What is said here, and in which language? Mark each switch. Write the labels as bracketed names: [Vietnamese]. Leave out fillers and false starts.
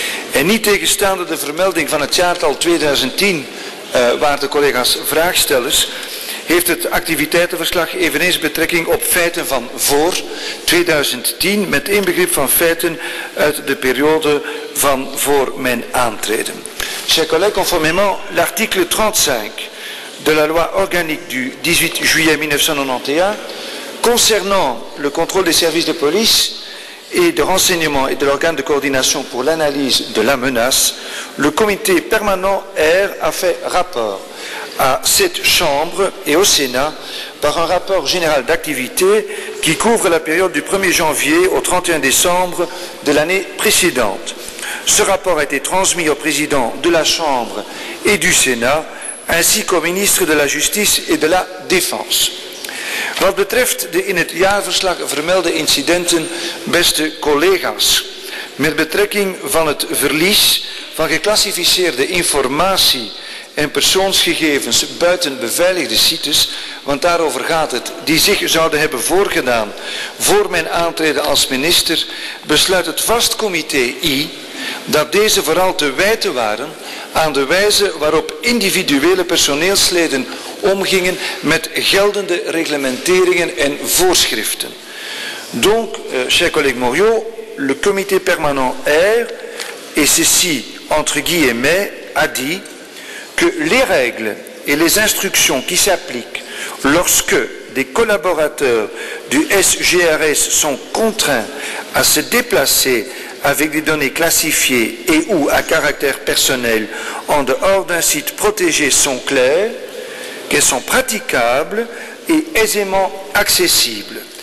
[Dutch] En niet tegenstaande de vermelding van het jaartal 2010, waarde collega's vraagstellers, heeft het activiteitenverslag eveneens betrekking op feiten van voor 2010, met inbegrip van feiten uit de periode van voor mijn aantreden. [French] Chers collègues, conformément l'article 35 de la loi organique du 18 juillet 1991 concernant le contrôle des services de police et de renseignement et de l'organe de coordination pour l'analyse de la menace, le comité permanent R a fait rapport à cette Chambre et au Sénat par un rapport général d'activité qui couvre la période du 1er janvier au 31 décembre de l'année précédente. Ce rapport a été transmis au président de la Chambre et du Sénat, ainsi qu'au ministre de la Justice et de la Défense. [Dutch] Wat betreft de in het jaarverslag vermelde incidenten, beste collega's, met betrekking van het verlies van geclassificeerde informatie en persoonsgegevens buiten beveiligde sites, want daarover gaat het, die zich zouden hebben voorgedaan voor mijn aantreden als minister, besluit het vast comité I dat deze vooral te wijten waren aan de wijze waarop individuele personeelsleden omgingen met geldende reglementeringen en voorschriften. [French] Donc, cher collègue Moriot, le comité permanent R, et ceci entre guillemets, a dit que les règles et les instructions qui s'appliquent lorsque des collaborateurs du SGRS sont contraints à se déplacer avec des données classifiées et ou à caractère personnel en dehors d'un site protégé sont claires, qu'elles sont praticables et aisément accessibles.